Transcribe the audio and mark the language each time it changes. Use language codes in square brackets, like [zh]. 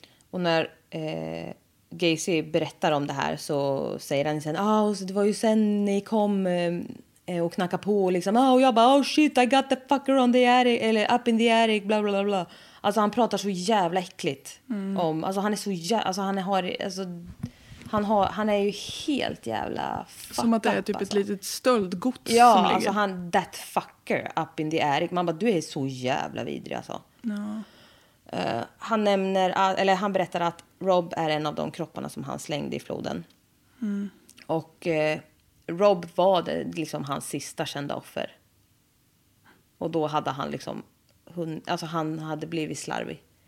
[sv] Och när Gacy berättar om det här så säger han sen, ah, det var ju sen ni kom och knackade på liksom, ah, och jag bara, [en] oh shit, I got the fucker on the attic, [sv] eller [en] up in the attic, [sv] bla bla bla. Alltså han pratar så jävla äckligt om, alltså han är så jävla, alltså han har, alltså han har, han är ju helt jävla fuck, som att det är typ alltså ett litet stöldgods. Ja, som ligger. Alltså han, [en] that fucker up in the attic. [sv] Man bara, du är så jävla vidrig alltså. Ja. Han nämner, eller han berättar att Rob är en av de kropparna som han slängde i floden. Mm. Och Rob var det, liksom hans sista kända offer. Och då hade han liksom, alltså han hade blivit slarvig.